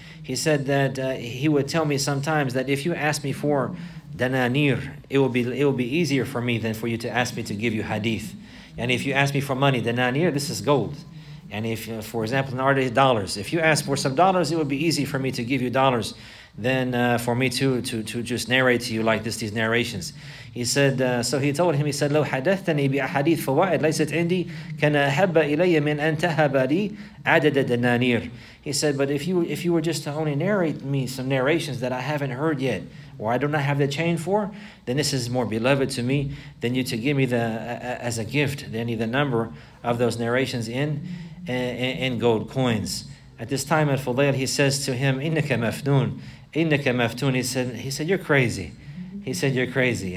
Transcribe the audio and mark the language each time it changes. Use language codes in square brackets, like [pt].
[en] He said that he would tell me sometimes that if you ask me for dananir, it will be easier for me than for you to ask me to give you hadith. And if you ask me for money, dananir, this is gold. And if, for example, nowadays dollars, if you ask for some dollars, it would be easy for me to give you dollars than for me to just narrate to you like this, these narrations. He said, so he told him, he said, [ar] لو حدثتني بحديث فوائد ليست عندي كان أحب إلي من أن تهب لي عدد الدنانير. [en] He said, but if you were just to only narrate me some narrations that I haven't heard yet, or I do not have the chain for, then this is more beloved to me than you to give me as a gift, any the number of those narrations in gold coins. At this time, Al-Fudayl, he says to him, [ar] إِنَّكَ مَفْنُونَ إِنَّكَ مَفْتُونَ. [en] He said, you're crazy. He said, you're crazy.